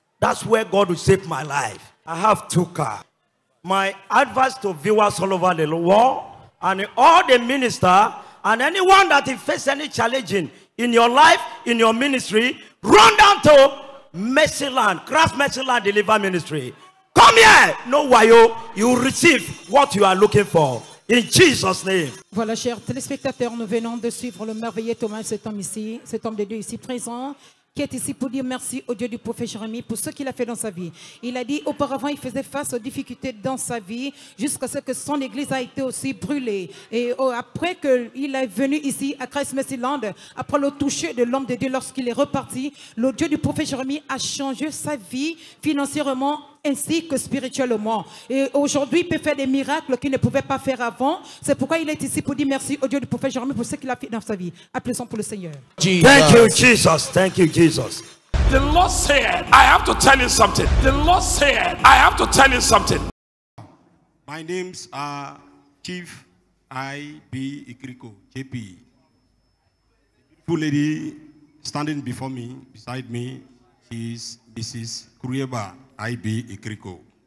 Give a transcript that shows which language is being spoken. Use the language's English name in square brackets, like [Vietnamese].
[English] That's where God will save my life. I have two cars. My advice to viewers all over the world and all the ministers and anyone that faces any challenge in your life, in your ministry, run down to Mercyland, Christ Mercyland Deliver Ministry. Come here, no wayo, you receive what you are looking for. In Jesus' name. [French] Voilà, chers téléspectateurs, nous venons de suivre le merveilleux Thomas, cet homme ici, cet homme de Dieu ici présent, qui est ici pour dire merci au Dieu du prophète Jérémie pour ce qu'il a fait dans sa vie. Il a dit, auparavant, il faisait face aux difficultés dans sa vie, jusqu'à ce que son église a été aussi brûlée. Et après qu'il est venu ici à Christ Mercyland, après le toucher de l'homme de Dieu lorsqu'il est reparti, le Dieu du prophète Jérémie a changé sa vie financièrement ainsi que spirituellement. Et aujourd'hui, il peut faire des miracles qu'il ne pouvait pas faire avant. C'est pourquoi il est ici pour dire merci au Dieu du prophète Jérémie pour ce qu'il a fait dans sa vie. Applaudissons pour le Seigneur. [English] Jesus. Thank you, Jesus. Thank you, Jesus. The Lord said, I have to tell you something. The Lord said, I have to tell you something. My name's Chief I.B. Ikriko, J.P. Beautiful lady standing before me, beside me, is Mrs. Kurieba. I.B. Ikriko.